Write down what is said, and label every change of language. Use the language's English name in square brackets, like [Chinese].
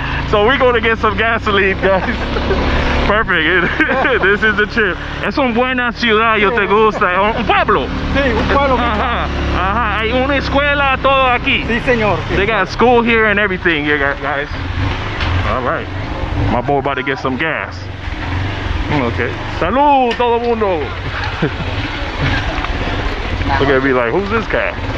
[English] So we're going to get some gasoline, guys. Perfect. This is the trip. [Spanish] Es una buena ciudad, yo te gusta. Un pueblo. Sí, un pueblo. Ajá. Hay una escuela todo aquí. Sí, señor. [English] They got school here and everything, you guys. All right. My boy about to get some gas. Okay. [Spanish] Salud, todo mundo. [English] Look at me like, who's this guy?